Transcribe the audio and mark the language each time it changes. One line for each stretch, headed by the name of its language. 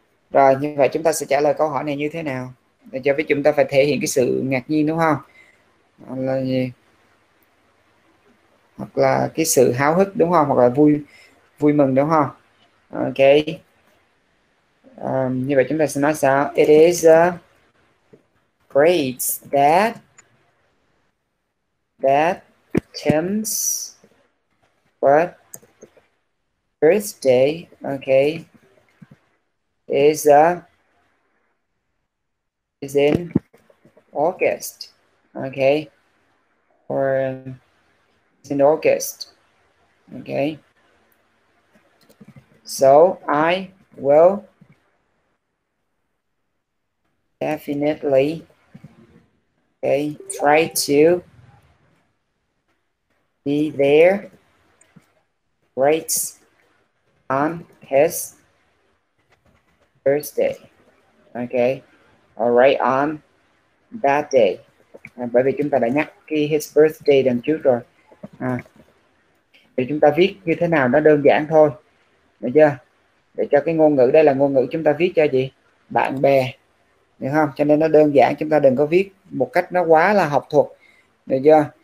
Vietnamese: Rồi như vậy chúng ta sẽ trả lời câu hỏi này như thế nào? Được chưa? Với chúng ta phải thể hiện cái sự ngạc nhiên đúng không? Là gì? Hoặc là cái sự háo hức đúng không? Hoặc là vui vui mừng đúng không? Ok. Như vậy chúng ta sẽ nói sao?
English: It is great that Tim's what birthday, okay, is in August, okay, or is in August, okay. So I will definitely, okay, try to be there right on his birthday, okay, or right on that day.
Vietnamese: À, bởi vì chúng ta đã nhắc cái
English: his birthday
Vietnamese: lần trước rồi. À, thì chúng ta viết như thế nào nó đơn giản thôi, được chưa? Để cho cái ngôn ngữ đây là ngôn ngữ chúng ta viết cho gì? Bạn bè. Được không? Cho nên nó đơn giản, chúng ta đừng có viết một cách nó quá là học thuật, được chưa?